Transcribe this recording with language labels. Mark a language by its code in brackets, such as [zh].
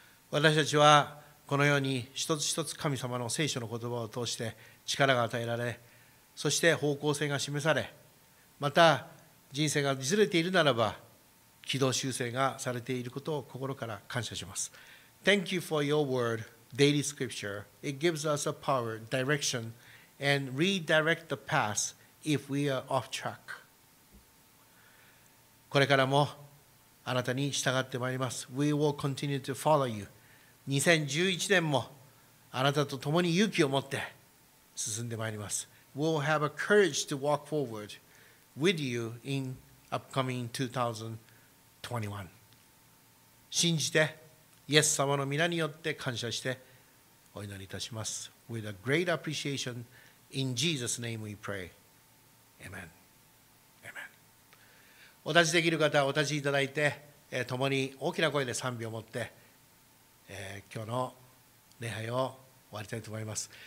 [ja] 私たちはこのように一つ一つ神様の聖書の言葉を通して力が与えられ、そして方向性が示され、また人生がずれているならば軌道修正がされていることを心から感謝します。 [en] Thank you for your word, daily scripture. It gives us a power, direction, and redirect the path if we are off track. [ja] これからもあなたに従ってまいります。 [en] We will continue to follow you. [ja] 2011年もあなたと共に勇気を持って進んでまいります。 [en] We'll have a courage to walk forward with you in upcoming 2021. [ja] 信じて、イエス様の御名によって感謝してお祈りいたします。 [en] With a great appreciation, in Jesus' name we pray. Amen. Amen. [ja] お立ちできる方はお立ちいただいて、共に大きな声で賛美を持って、今日の礼拝を終わりたいと思います。